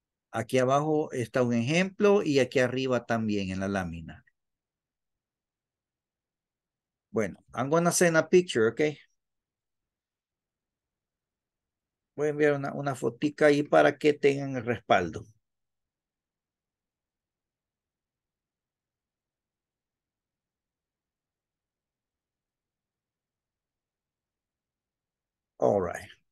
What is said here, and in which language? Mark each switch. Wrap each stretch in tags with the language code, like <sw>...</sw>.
<es>Aquí abajo está un ejemplo y aquí arriba también en la lámina.</es> <en>Bueno, I'm going to send a picture, okay?</en> <es>Voy a enviar una fotica ahí para que tengan el respaldo.</es> <en>All right.</en>